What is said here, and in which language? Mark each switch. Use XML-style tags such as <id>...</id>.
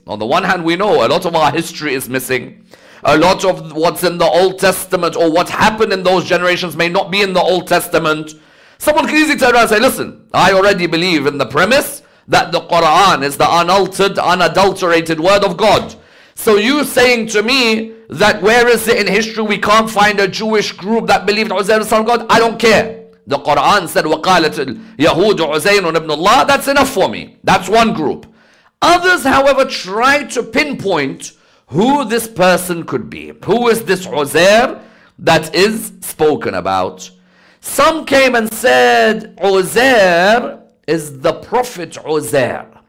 <en>On the one hand, we know a lot of our history is missing. A lot of what's in the Old Testament or what happened in those generations may not be in the Old Testament. Someone can easily turn around and say, listen, I already believe in the premise that the Quran is the unaltered, unadulterated word of God. So you saying to me that where is it in history we can't find a Jewish group that believed Uzair is the son of God? I don't care. The Quran said,</en> <ar>وَقَالَتْ الْيَهُودُ عُزَيْرٌ ابْنُ اللَّهِ.</ar> <en>That's enough for me. That's one group. Others, however, try to pinpoint who this person could be. Who is this Uzair that is spoken about? Some came and said, Uzair is the prophet Uzair.</en>